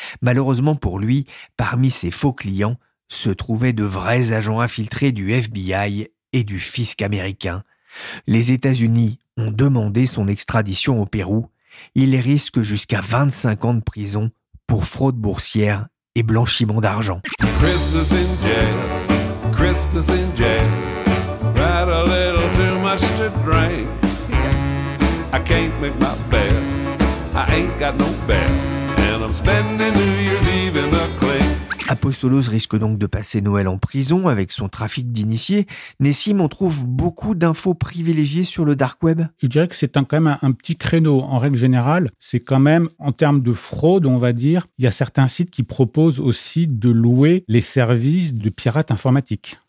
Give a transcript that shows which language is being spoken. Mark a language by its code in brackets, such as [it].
[fr] Malheureusement pour lui, parmi ses faux clients se trouvaient de vrais agents infiltrés du FBI et du fisc américain. Les États-Unis ont demandé son extradition au Pérou. Il risque jusqu'à 25 ans de prison pour fraude boursière et blanchiment d'argent. [en] Christmas in jail, Christmas in jail. Got a little too much to drink. I can't make my bed, I ain't got no bed. And I'm spending New Year's Eve in a clink. [fr] Apostolos risque donc de passer Noël en prison avec son trafic d'initiés. Nessim, on trouve beaucoup d'infos privilégiées sur le dark web. Je dirais que c'est quand même un petit créneau. En règle générale, c'est quand même, en termes de fraude, on va dire, il y a certains sites qui proposent aussi de louer les services de pirates informatiques.